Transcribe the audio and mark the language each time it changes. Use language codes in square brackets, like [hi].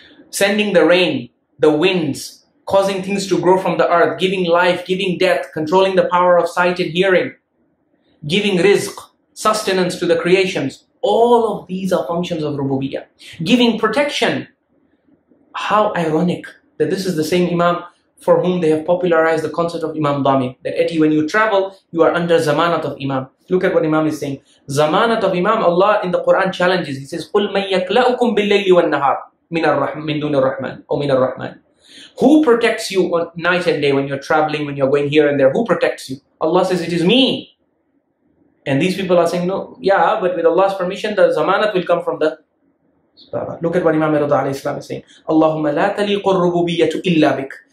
[en] Sending the rain, the winds, causing things to grow from the earth, giving life, giving death, controlling the power of sight and hearing, giving rizq, sustenance to the creations, all of these are functions of rububiyyah. Giving protection. How ironic that this is the same Imam for whom they have popularized the concept of Imam Dami. That Eti, when you travel, you are under Zamanat of Imam. Look at what Imam is saying. Zamanat of Imam, Allah in the Quran challenges. He says, [ar] قُلْ مَنْ يَكْلَأُكُمْ بِاللَّيْلِ وَالنَّهَارِ مِنْ دُونِ الرَّحْمَنِ أو مِنَ الرَّحْمَنِ. [en] Who protects you on night and day when you're traveling, when you're going here and there? Who protects you? Allah says, it is me. And these people are saying, no, yeah, but with Allah's permission, the zamanat will come from the Sahaba. Look at what Imam Rida alayhi salam is saying. [ar] Allahumma la taliqu ar-rububiyyatu illa bik.